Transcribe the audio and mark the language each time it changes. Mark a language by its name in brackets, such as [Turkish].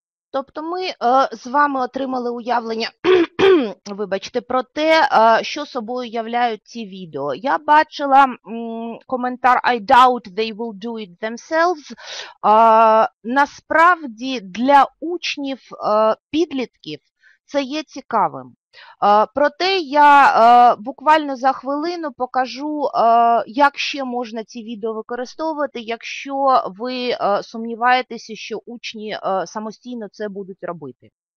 [Ukrainian] Тобто ми з вами отримали уявлення, вибачте, про те, що собою являють ці відео. Я бачила коментар [English] «I doubt they will do it themselves». [Ukrainian] Насправді для учнів-підлітків це є цікавим. Проте я буквально за хвилину покажу, як ще можна ці відео використовувати, якщо ви сумніваєтеся, що учні самостійно це будуть робити.